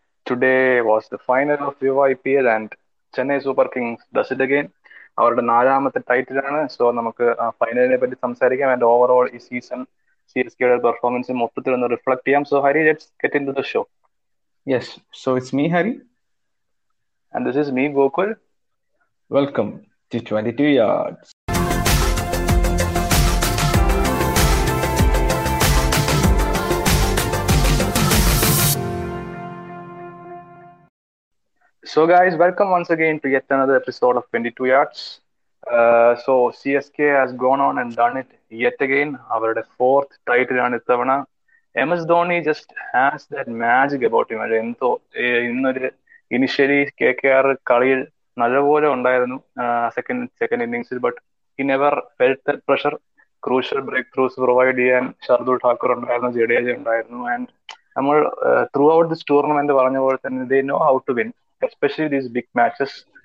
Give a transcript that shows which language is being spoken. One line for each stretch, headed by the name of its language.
English: Today was the final of UIPL and Chennai Super Kings does it again.
Malayalam: അവരുടെ നാലാമത്തെ title ആണ്. So നമുക്ക് ഫൈനലിനെ പറ്റി സംസാരിക്കാം ആൻഡ് ഓവറോൾ ഈ സീസൺ സി എസ് കെയുടെ പെർഫോമൻസ് മൊത്തത്തിൽ ഒന്ന് റിഫ്ലക്ട് ചെയ്യാം.
English: So Hari, let's get in to the show. Yes, so it's me, Hari. And this is me, Gokul. Welcome to 22 Yards. So guys, welcome once again to yet another episode of 22 Yards. So CSK has gone on and done it yet again. Our fourth title on this one. MS Dhoni just has that magic about him.
Malayalam: എന്തോ ഇന്നൊരു initially K K R കളിയിൽ നല്ലപോലെ ഉണ്ടായിരുന്നു second ഇന്നിംഗ്സിൽ,
English: But he never felt that pressure.
Malayalam: Crucial break throughs provide ചെയ്യാൻ ശർദുൽ ഠാക്കൂർ ഉണ്ടായിരുന്നു, ജഡേജ ഉണ്ടായിരുന്നു.
English: and
Malayalam: നമ്മൾ
English: throughout this tournament
Malayalam: പറഞ്ഞ പോലെ തന്നെ
English: They know how to win, especially these big matches.